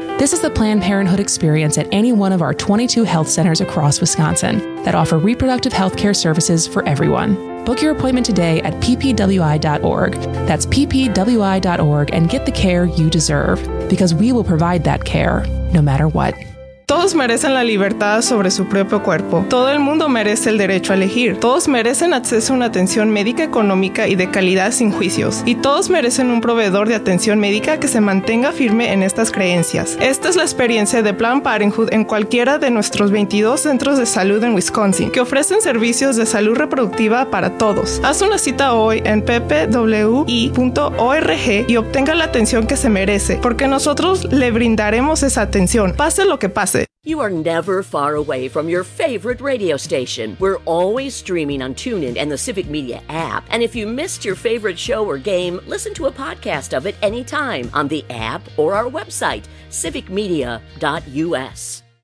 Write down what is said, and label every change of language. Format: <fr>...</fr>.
<en>This is the Planned Parenthood experience at any one of our 22 health centers across Wisconsin that offer reproductive healthcare services for everyone. Book your appointment today at ppwi.org. That's ppwi.org, and get the care you deserve, because we will provide that care no matter what.</en> <es>Todos merecen la libertad sobre su propio cuerpo. Todo el mundo merece el derecho a elegir. Todos merecen acceso a una atención médica económica y de calidad sin juicios. Y todos merecen un proveedor de atención médica que se mantenga firme en estas creencias. Esta es la experiencia de Planned Parenthood en cualquiera de nuestros 22 centros de salud en Wisconsin, que ofrecen servicios de salud reproductiva para todos. Haz una cita hoy en ppwi.org y obtenga la atención que se merece, porque nosotros le brindaremos esa atención, pase lo que pase.</es> <en>You are never far away from your favorite radio station. We're always streaming on TuneIn and the Civic Media app. And if you missed your favorite show or game, listen to a podcast of it anytime on the app or our website, civicmedia.us.</en>